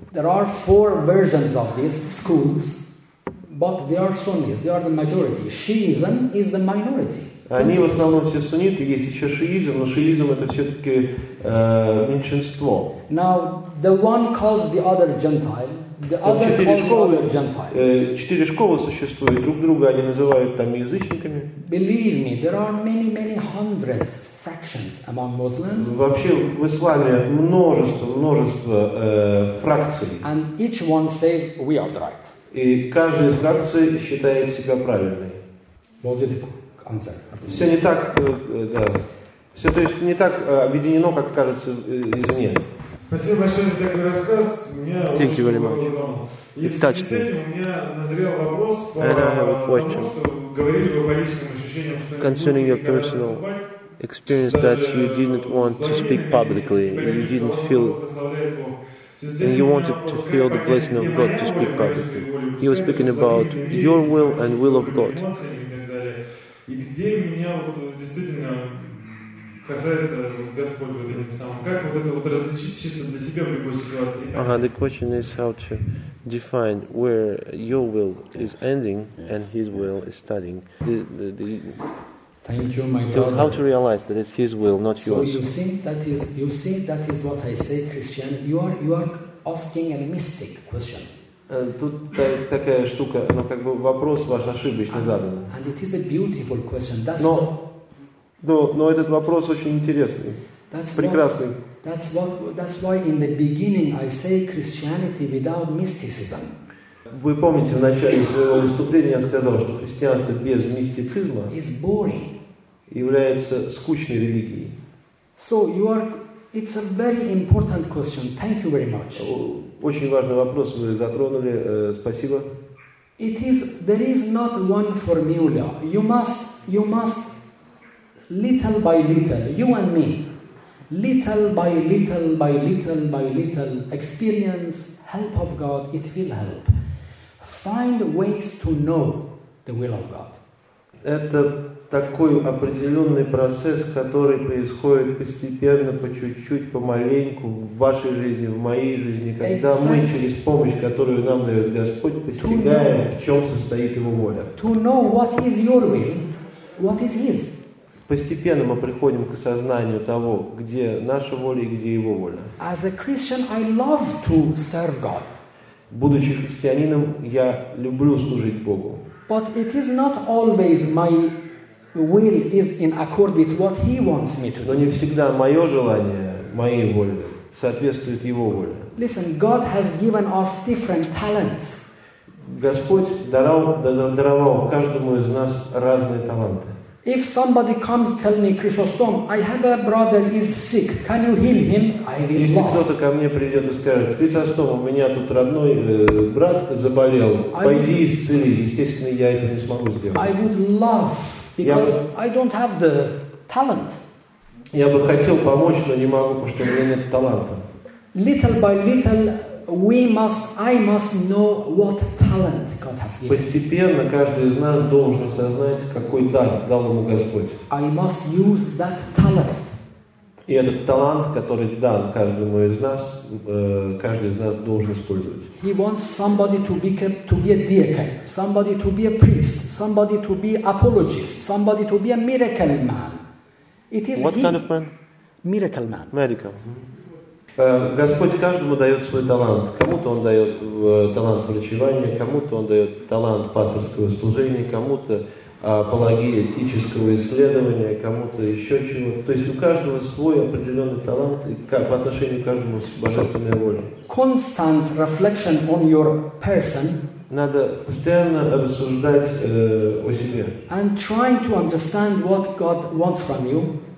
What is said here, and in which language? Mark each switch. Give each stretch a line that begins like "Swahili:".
English: There are four versions of these schools, but they are Sunnis. They are the majority. Shiism is the minority.
Russian: Они в основном все сунниты, есть еще шиизм, но шиизм это все-таки меньшинство.
English: Now, the one calls the other Gentile.
Russian: Четыре школы существуют, друг друга они называют там язычниками.
English: Believe me, there are many, many hundreds factions among Muslims.
Russian: Вообще в исламе множество фракций.
English: And each one says, we are right.
Russian: И каждая из фракций считает себя правильной.
English: Answer.
Russian: Все не так, да. Все, то есть, не так объединено, как кажется извне. Спасибо большое за такой рассказ.
English: Thank you very much.
Russian: И в связи с этим у меня назрел вопрос по тому, что говорили вы по личным ощущениям, что
English: concerning your personal experience that you didn't want to speak publicly, you didn't feel and you wanted to feel the blessing of God to speak publicly. You were speaking about your will and will of God.
Russian: И где меня вот действительно касается Господь в этом самом? Как вот это вот различить чисто для себя в любой ситуации?
English: The question is how to define where your will is ending and His will is starting. How to realize that it's His will, not yours? So you think that is what I say, Christian. You are asking a mystic question.
Russian: Тут такая штука, но как бы вопрос ваш ошибочно задан.
English: And it is a beautiful question.
Russian: Но этот вопрос очень интересный, прекрасный.
English: That's why in the beginning I say Christianity without mysticism.
Russian: Вы помните, в начале своего выступления я сказал, что христианство без мистицизма
English: is boring.
Russian: Является скучной религией.
English: So you are. It's a very important question. Thank you very much.
Russian: Очень важный вопрос вы затронули. Спасибо.
English: It is. There is not one formula. You must little by little, you and me, little by little by little by little, experience, help of God, it will help. Find ways to know the will of God.
Russian: Это такой определенный процесс, который происходит постепенно, по чуть-чуть, помаленьку в вашей жизни, в моей жизни, когда мы через помощь, которую нам дает Господь, постигаем, в чем состоит Его воля.
English: To know what is your will, what is His.
Russian: Постепенно мы приходим к осознанию того, где наша воля и где Его воля.
English: As a Christian, I love to serve God.
Russian: Будучи христианином, я люблю служить Богу.
English: But it is not always my will is in accord with what He wants me to.
Russian: Но не всегда мое желание, моей воле соответствует Его воле.
English: Listen, God has given us different talents.
Russian: Господь даровал каждому из нас разные таланты.
English: If somebody comes telling me, Chrysostom, I have a brother is sick. Can you heal him? I will go.
Russian: Если кто-то ко мне придет и скажет, Chrysostom, у меня тут родной брат заболел. Пойди исцели. Естественно, я это не смогу сделать.
English: I would love because I don't have the talent.
Russian: Я бы хотел помочь, но не могу, потому что у меня нет таланта.
English: Little by little, I must know what talent.
Russian: Постепенно каждый из нас должен осознать, какой дар дал ему Господь.
English: I must use that talent.
Russian: И этот талант, который дан каждому из нас, каждый из нас должен использовать.
English: He wants somebody to be a deacon, somebody to be a priest, somebody to be apologist, somebody to be a miracle man. It is what he, kind of man? Miracle man. Medical.
Russian: Господь каждому дает свой талант. Кому-то Он дает талант врачевания, кому-то Он дает талант пасторского служения, кому-то апологии этического исследования, кому-то еще чего-то. То есть у каждого свой определенный талант и по отношению к каждому божественная воля.
English: Constant reflection on your person.
Russian: Надо постоянно рассуждать о себе.
English: And trying to understand what God wants from you.